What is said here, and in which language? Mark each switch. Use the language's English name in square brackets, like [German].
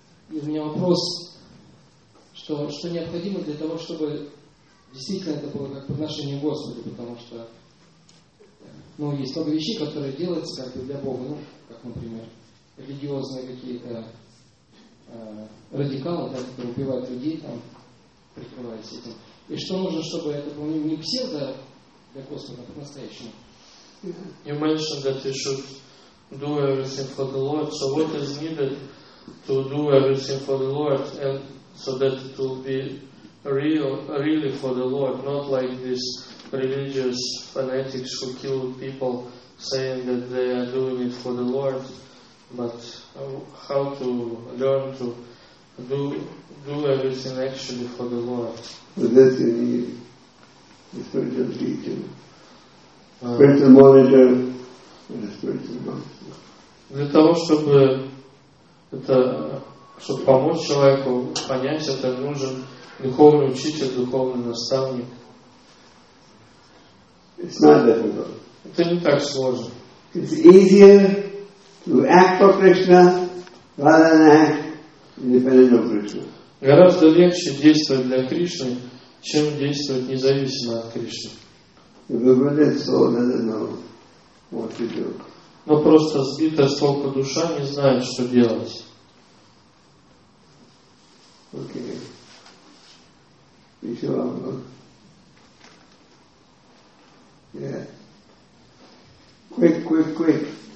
[Russian] И у меня вопрос, что необходимо для того, чтобы действительно это было как по отношению к Господу, потому что есть много вещей, которые делаются как бы для Бога, как, например, религиозные какие-то радикалы, да, которые убивают людей, там, прикрываясь этим. И что нужно, чтобы это было не псевдо для Господа, а по-настоящему? [English] You mentioned that you should do everything for the Lord. So what is needed to do everything for the Lord and so that it will be really for the Lord, not like this religious fanatics who kill people saying that they are doing it for the Lord, but how to learn to do everything actually for the Lord. For that you need the spiritual teacher, spiritual monitor, and a spiritual master. [Russian] Для того, чтобы помочь человеку понять это, нужен духовный учитель, духовный наставник. [English] It's not difficult. [Russian] Это не так сложно. [English] It's easier to act for Krishna rather than act independent of Krishna. [Russian] Гораздо легче действовать для Кришны, чем действовать независимо от Кришны. [English] Everybody is so doesn't know what to do. [Russian] Но просто сбита с толку душа не знает, что делать. [English] Okay. [Russian] Еще вам. [English] Yeah. Quick.